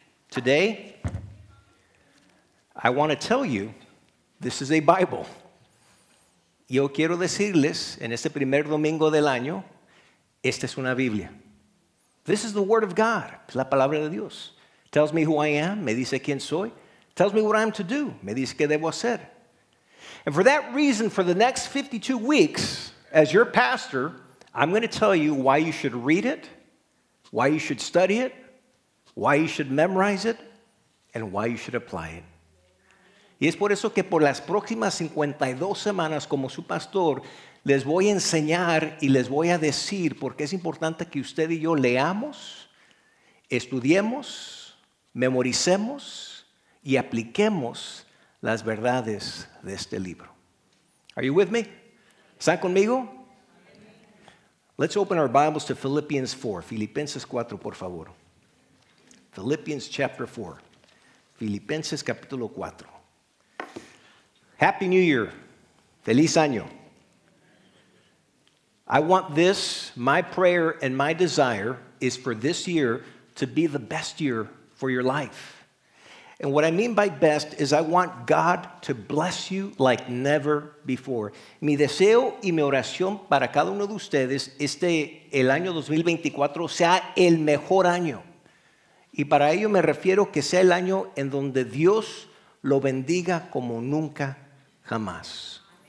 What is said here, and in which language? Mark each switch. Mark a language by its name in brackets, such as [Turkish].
[English] Today, I want to tell you, this is a Bible. [Spanish] Yo quiero decirles, en este primer domingo del año, esta es una Biblia. [English] This is the Word of God, [Spanish] la palabra de Dios. [English] Tells me who I am, [Spanish] me dice quién soy. [English] Tells me what I'm to do, [Spanish] me dice qué debo hacer. [English] And for that reason, for the next 52 weeks, as your pastor, I'm going to tell you why you should read it, why you should study it, why you should memorize it, and why you should apply it. [Spanish] Y es por eso que por las próximas 52 semanas como su pastor, les voy a enseñar y les voy a decir por qué es importante que usted y yo leamos, estudiemos, memoricemos y apliquemos las verdades de este libro. [English] Are you with me? [Spanish] ¿Están conmigo? [English] Let's open our Bibles to Philippians 4. [Spanish] Filipenses 4, por favor. [English] Philippians chapter 4. [Spanish] Filipenses capítulo 4. [English] Happy New Year. [Spanish] Feliz año. [English] I want this, my prayer and my desire is for this year to be the best year for your life. And what I mean by best is I want God to bless you like never before. [Spanish] Mi deseo y mi oración para cada uno de ustedes este el año 2024 sea el mejor año. Y para ello me refiero que sea el año en donde Dios lo bendiga como nunca jamás.